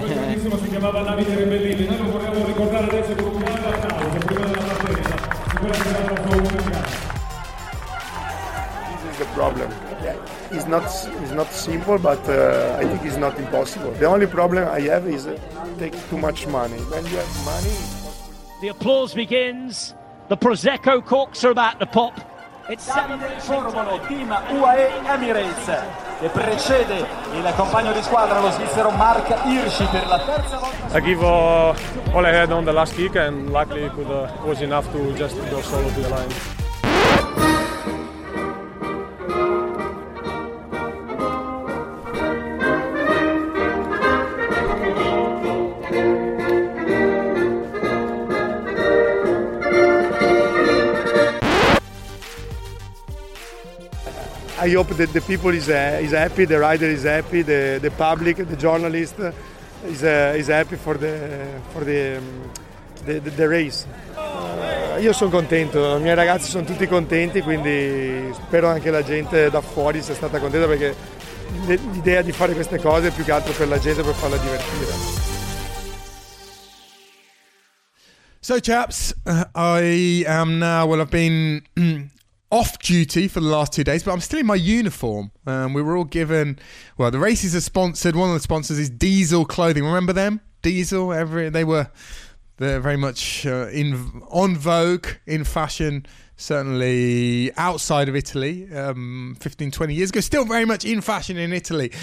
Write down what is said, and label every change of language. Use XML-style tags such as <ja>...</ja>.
<en>This is the problem. It's not simple, but I think it's not impossible. The only problem I have is take too much money. When you have money, the applause begins. The Prosecco corks are about to pop. It's Davide Formolo, team UAE Emirates.</en> <it>che precede il compagno di squadra, lo svizzero Mark Hirschi, per la terza volta.</it> <en>I give all I had on the last kick, and luckily it was enough to just go solo to the line. I hope that the people is happy, the rider is happy, the public, the journalist is happy for the race.</en> <it>Io sono contento, i miei ragazzi sono tutti contenti, quindi spero anche la gente da fuori sia stata contenta, perché l'idea di fare queste cose è più che altro per la gente, per farla divertire.</it> <en>So chaps, I am now, well I've been off duty for the last 2 days, but I'm still in my uniform. We were all given, well, the races are sponsored. One of the sponsors is Diesel Clothing. Remember them? Diesel, they're very much on vogue in fashion, certainly outside of Italy, 15, 20 years ago, still very much in fashion in Italy.</en>